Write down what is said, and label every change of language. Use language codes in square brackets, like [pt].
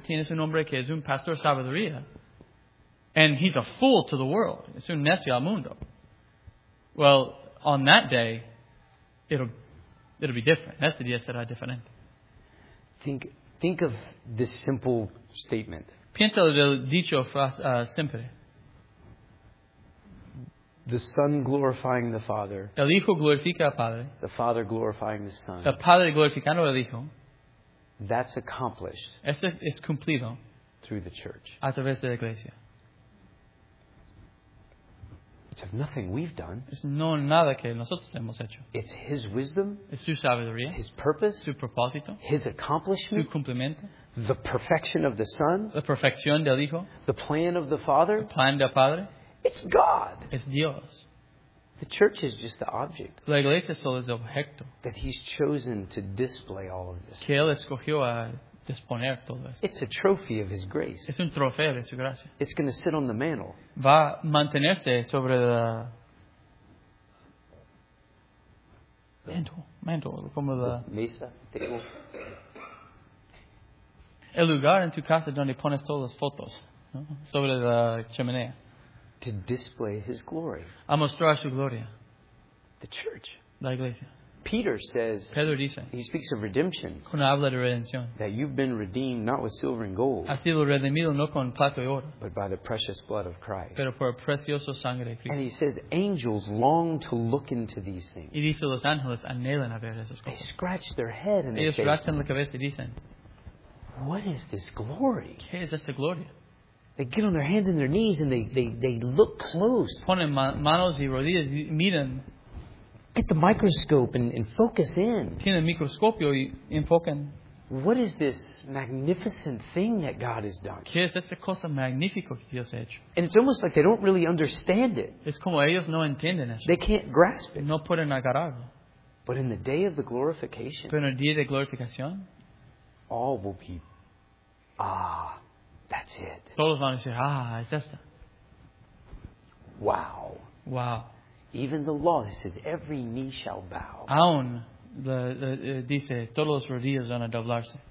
[es] Tiene su nombre que es un pastor sabiduría. [en] And he's a fool to the world. [es] Es un necio al mundo. [en] Well, on that day, it'll be different. [es] Ese día será diferente. [en] Think of this simple statement. [es] Piensa del dicho simple. [en] The Son glorifying the Father. [es] El Hijo glorifica al Padre. [en] The Father glorifying the Son. [es] El Padre glorificando al Hijo. [en] That's accomplished. [es] Eso es cumplido. [en] Through the church. [es] A través de la iglesia. [en] It's of nothing we've done. [es] Es no nada que nosotros hemos hecho. [en] It's His wisdom. [es] Es su sabiduría. [en] His purpose. [es] Su propósito. [en] His accomplishment. [es] Su cumplimiento. [en] The perfection of the Son. [es] La perfección del Hijo. [en] The plan of the Father. [es] El plan del Padre. [en] It's God. [es] Es Dios. [en] The church is just the object. [es] La iglesia solo es objeto. [en] That He's chosen to display all of this. [es] Que él escogió a disponer todo esto. [en] It's a trophy of His grace. [es] Es un trofeo de su gracia. [en] It's going to sit on the mantle. [es] Va a mantenerse sobre la mantle, como la mesa, table. El lugar en tu casa donde pones todas las fotos, ¿no? Sobre la chimenea. [en] To display His glory. [es] A mostrar su gloria. [en] The church. [es] La iglesia. [en] Peter says. [es] Pedro dice. [en] He speaks of redemption. [es] Cuando habla de redención. [en] That you've been redeemed not with silver and gold. [es] Has sido redimido no con plata y oro. [en] But by the precious blood of Christ. [es] Pero por el precioso sangre de Cristo. [en] And he says angels long to look into these things. [es] Y dice los ángeles anhelan a ver esas cosas. [en] They scratch their head and [es] ellos rascan la cabeza y dicen. [en] What is this glory? [es] ¿Qué es esta gloria? [en] They get on their hands and their knees and they look close. [es] Ponen manos y rodillas y miran. [en] Get the microscope and focus in. [es] Tienen microscopio y enfocan. [en] What is this magnificent thing that God has done? [es] ¿Qué es esta cosa magnífica que Dios ha hecho? [en] And it's almost like they don't really understand it. [es] Es como ellos no entienden eso. [en] They can't grasp it. [es] No pueden agarrarlo. [en] But in the day of the glorification, [es] pero en el día de glorificación, [en] all will be, ah, that's it. [es] Todos van a decir, ah, es esta. [en] Wow. [es] Wow. [en] Even the law, it says, every knee shall bow. [es] Aún. Dice, todos los rodillos van a doblarse.